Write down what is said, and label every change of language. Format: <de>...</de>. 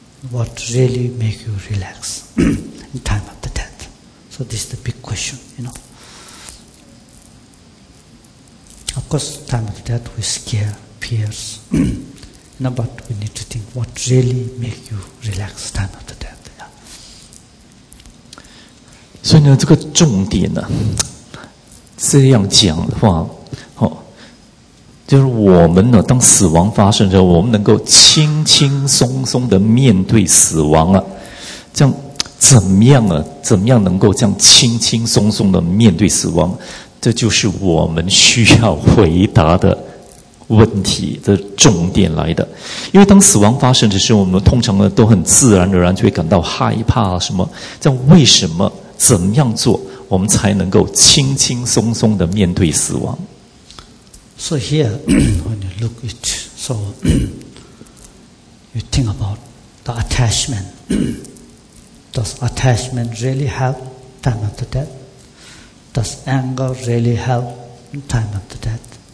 <en>What really make you relax in time of the death? So this is the big question, you know. Of course, time of the death we scare, fears. No, but we need to think what really make you relax time of the death. Yeah.</en> <zh>所以呢，这个重点呢、啊，这样讲的话，哦，就是我们呢，当死亡发生的时候，我们能够轻轻松松的面对死亡啊，这样怎么样啊？怎么样能够这样轻轻松松的面对死亡？这就是我们需要回答的。问题的重点来的，因为当死亡发生的时候，我们通常呢都很自然而然就会感到害怕啊什么。这样为什么怎么样做，我们才能够轻轻松松的面对死亡</zh> <en>？So here, when you look at, so you think about the attachment. Does attachment really help time of the death? Does anger really help in time of the death?</en>